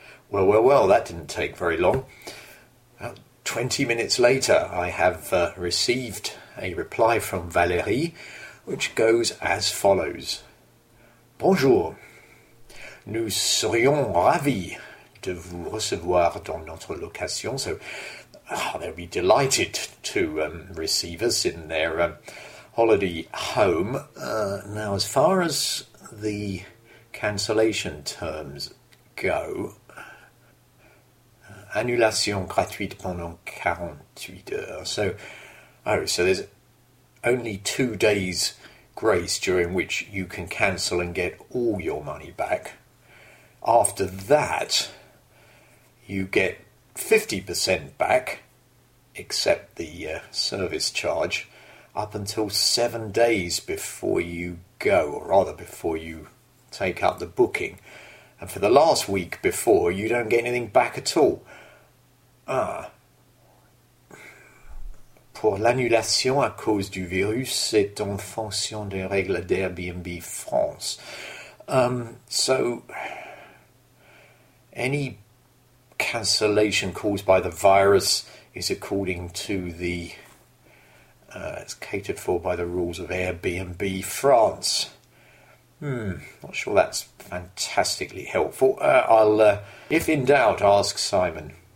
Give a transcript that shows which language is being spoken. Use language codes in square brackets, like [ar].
[en] Well, well, well, that didn't take very long. About 20 minutes later, I have received a reply from Valérie, which goes as follows. [fr] Bonjour. Nous serions ravis de vous recevoir dans notre location. [en] So they'll be delighted to receive us in their holiday home. Now, as far as the cancellation terms go, [fr] annulation gratuite pendant 48 heures. [en] So there's only 2 days grace during which you can cancel and get all your money back. After that, you get 50% back, except the service charge, up until 7 days before you go, or rather before you take up the booking. And for the last week before, you don't get anything back at all. [fr] Pour l'annulation à cause du virus, c'est en fonction des règles d'Airbnb France. [en] Any cancellation caused by the virus is according to the it's catered for by the rules of Airbnb France. Not sure that's fantastically helpful. I'll if in doubt, ask Simon.